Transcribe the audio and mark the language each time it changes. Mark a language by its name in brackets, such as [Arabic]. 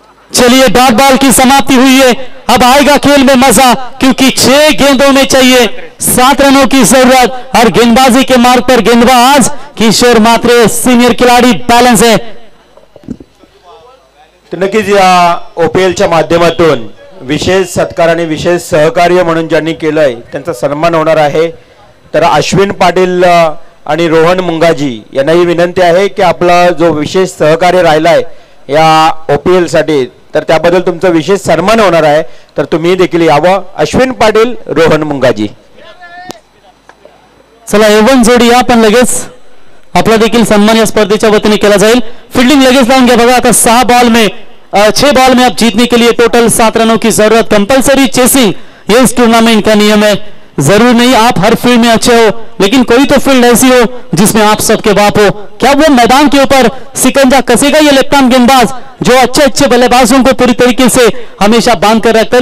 [Hindi] चलिए dot ball की समाप्ति हुई है, अब आएगा खेल में मजा, क्योंकि 6 गेंदों में चाहिए 7 रनों की जरूरत। और गेंदबाजी के मार्ग पर गेंदबाज किशोर मात्रे सीनियर खिलाड़ी बैलेंस है। [Marathi] तो नक्कीच या ओपीएलच्या माध्यमातून विशेष सत्कार आणि विशेष सहकार्य म्हणून ज्यांनी केलंय त्यांचा सन्मान होणार आहे। तर अश्विन पाटील आणि रोहन मुंगाजी यांनाही विनंती आहे की आपला जो विशेष सहकार्य राहिलाय या ओपीएल साठी तर त्याबद्दल तुमचं विशेष सन्मान होणार आहे, तर तुम्ही देखील यावं। अश्विन पाटील रोहन मुंगाजी चला एवन जोडी आपण लगेच आपला देखील सन्मान या स्पर्धेच्या वतीने केला जाईल। फिल्डिंग लगेच लावून घ्या बघा, [Hindi] आता 6 बॉल में आप जीतने के लिए टोटल 7 रनों की जरूरत, कंपल्सरी चेसिंग ये इस टूर्नामेंट का नियम है। जरूर नहीं आप हर फील्ड में अच्छे हो, लेकिन कोई तो फील्ड ऐसी हो जिसमें आप सबके बाप हो। क्या वो मैदान के ऊपर सिकंजा कसेगा ये लेफ्ट आर्म गेंदबाज जो अच्छे अच्छे बल्लेबाजों को पूरी तरीके से हमेशा बांध कर रखता है।